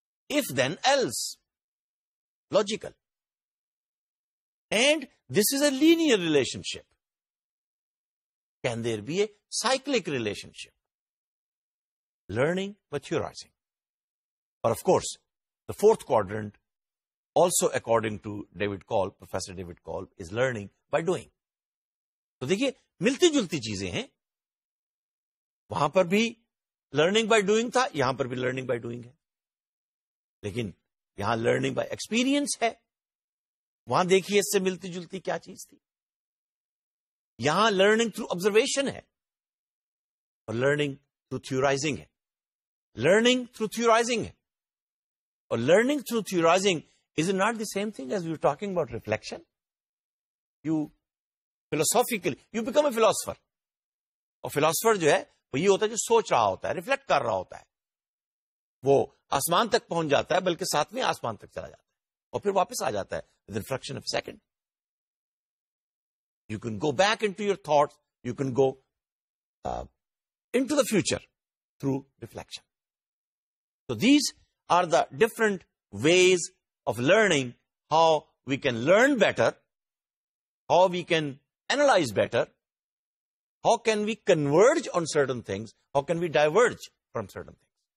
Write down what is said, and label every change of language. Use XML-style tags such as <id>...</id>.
<en>If then else, logical. And this is a linear relationship. Can there be a cyclic relationship? Learning but theorizing. Or of course, the fourth quadrant, also according to David Kolb, Professor David Kolb, is learning by doing.</en> <ur>تو دیکھیے, ملتی جلتی چیزیں ہیں. وہاں پر بھی learning by doing تھا, یہاں پر بھی لرننگ بائی ڈوئنگ ہے, لیکن یہاں لرننگ بائی ایکسپیرئنس ہے. وہاں دیکھیے اس سے ملتی جلتی کیا چیز تھی. یہاں لرننگ تھرو آبزرویشن ہے, اور لرننگ تھرو تھیورائزنگ ہے.</ur> <en>Learning through theorising ہے, اور learning through theorising is not the same thing as we are talking about reflection. You philosophically, you become a philosopher.</en> <ur>A philosopher جو ہے وہ یہ ہوتا ہے جو سوچ رہا ہوتا ہے, ریفلیکٹ کر رہا ہوتا ہے, وہ آسمان تک پہنچ جاتا ہے, بلکہ ساتویں آسمان تک چلا جاتا ہے, اور پھر واپس آ جاتا ہے</ur> <en>within fraction of a second. You can go back into your thoughts, you can go into the future through reflection. So these are the different ways of learning, how we can learn better, how we can analyze better, how can we converge on certain things, how can we diverge from certain things.</en>